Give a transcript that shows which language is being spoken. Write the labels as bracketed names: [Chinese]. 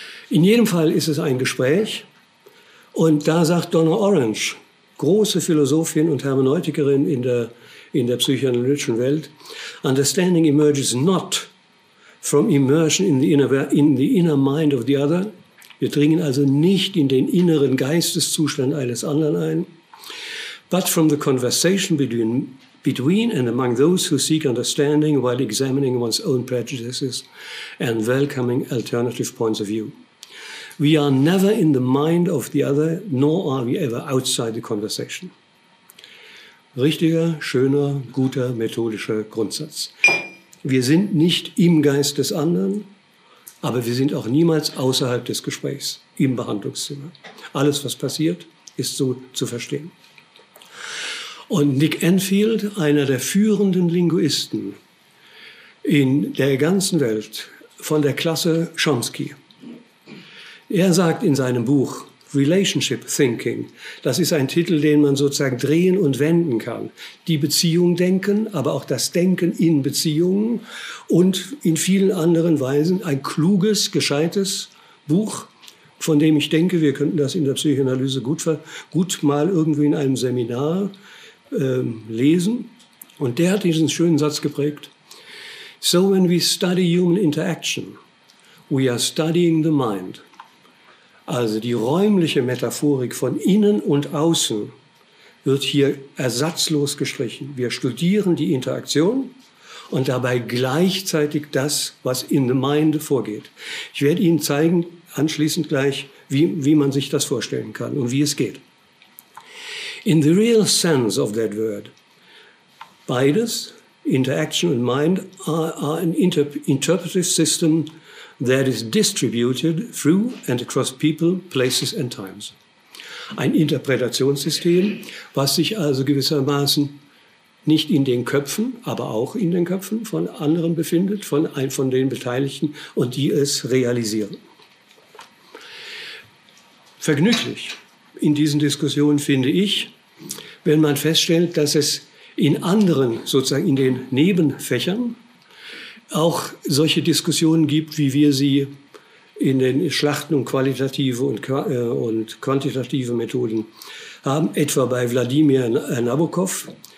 [German] In jedem Fall ist es ein Gespräch. Und da sagt Donna Orange, große Philosophin und Hermeneutikerin in der psychoanalytischen Welt, [English] Understanding emerges not from immersion in the inner mind of the other. [German] Wir dringen also nicht in den inneren Geisteszustand eines anderen ein. [English] But from the conversation between and among those who seek understanding while examining one's own prejudices and welcoming alternative points of view. We are never in the mind of the other, nor are we ever outside the conversation. [German] Richtiger, schöner, guter, methodischer Grundsatz. Wir sind nicht im Geist des anderen, aber wir sind auch niemals außerhalb des Gesprächs, im Behandlungszimmer. Alles, was passiert, ist so zu verstehen. Und Nick Enfield, einer der führenden Linguisten in der ganzen Welt, von der Klasse Chomsky, er sagt in seinem Buch Relationship Thinking, das ist ein Titel, den man sozusagen drehen und wenden kann. Die Beziehung denken, aber auch das Denken in Beziehungen und in vielen anderen Weisen ein kluges, gescheites Buch, von dem ich denke, wir könnten das in der Psychoanalyse gut mal irgendwie in einem Seminar lesen. Und der hat diesen schönen Satz geprägt. So when we study human interaction, we are studying the mind. Also die räumliche Metaphorik von innen und außen wird hier ersatzlos gestrichen. Wir studieren die Interaktion und dabei gleichzeitig das, was [English] in the mind [German] vorgeht. Ich werde Ihnen zeigen, anschließend gleich, wie man sich das vorstellen kann und wie es geht. [English] In the real sense of that word, [German] beides, [English] interaction and mind, are an interpretive system that is distributed through and across people, places and times. [German] Ein Interpretationssystem, was sich also gewissermaßen nicht in den Köpfen, aber auch in den Köpfen von anderen befindet, von den Beteiligten und die es realisieren. Vergnüglich in diesen Diskussionen finde ich, wenn man feststellt, dass es in anderen, sozusagen in den Nebenfächern, auch solche Diskussionen gibt, wie wir sie in den Schlachten um qualitative und quantitative Methoden haben, etwa bei Wladimir Nabokov,